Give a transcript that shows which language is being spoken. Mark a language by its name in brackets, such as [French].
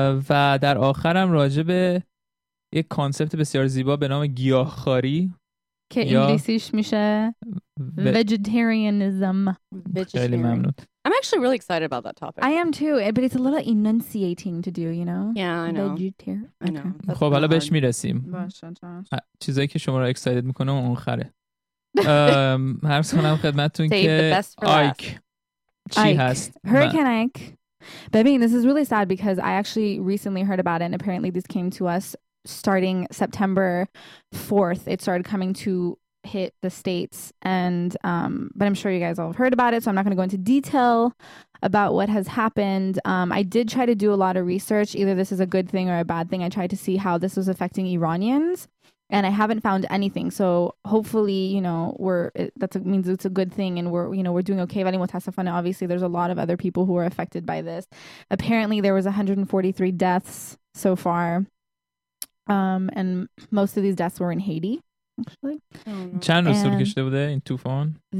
[Persian] و در آخرم راجع به یک کانسپت بسیار زیبا به نام گیاهخواری که انگلیسیش میشه vegetarianism. خیلی ممنون. [English] I'm actually really excited about that topic. I am too, but it's a little enunciating to do, you know? Yeah, I know. Vegetarian. [Persian] Okay. خب حالا بهش میرسیم. باشه، باشه. چیزایی که شما رو excited میکنه و آخره. عرض کنم خدمتتون که آیک هست. [English] Hurricane Ike. Babine, this is really sad because I actually recently heard about it and apparently this came to us starting September 4th. It started coming to hit the states and but I'm sure you guys all have heard about it, so I'm not going to go into detail about what has happened. I did try to do a lot of research, either this is a good thing or a bad thing. I tried to see how this was affecting Iranians. And I haven't found anything, so hopefully, you know, that means it's a good thing, and we're doing okay. Valim Otasafana, obviously, there's a lot of other people who are affected by this. Apparently, there was 143 deaths so far, and most of these deaths were in Haiti, actually. [Persian] چند روز طول کشته بوده این طوفان؟